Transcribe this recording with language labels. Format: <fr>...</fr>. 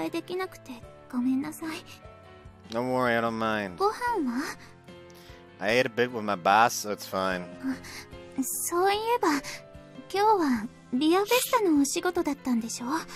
<ja>今日はお出迎えできなくてごめんなさい。</ja> <en>Don't worry, I don't mind.</en> <ja>ご飯は?</ja> <en>I ate a bit with my boss, so it's fine.</en> <ja>そういえば、 今日はビアフェスタのお仕事だったんでしょ?</ja>